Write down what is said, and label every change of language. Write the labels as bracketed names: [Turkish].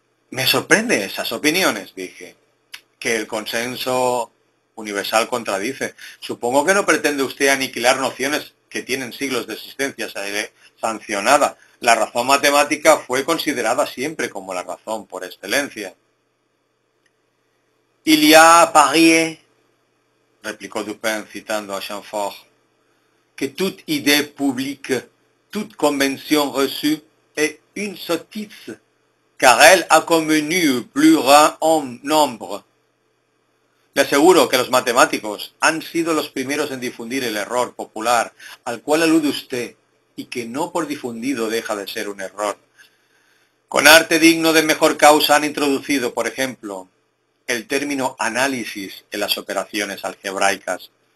[Spanish] Me sorprende esas opiniones, dije, que el consenso universal contradice. Supongo que no pretende usted aniquilar nociones que tienen siglos de existencia sancionada. La razón matemática fue considerada siempre como la razón por excelencia. [French] Il y a parié, [Spanish] replicó Dupin citando a Jean Fort, [French] que toute idée publique, toute convention reçue est une sottise. Car elle a convenu plus grand nombre. [Spanish] Le aseguro que los matemáticos han sido los primeros en difundir el error popular al cual alude usted y que no por difundido deja de ser un error. Con arte digno de mejor causa han introducido, por ejemplo, el término análisis en las operaciones algebraicas.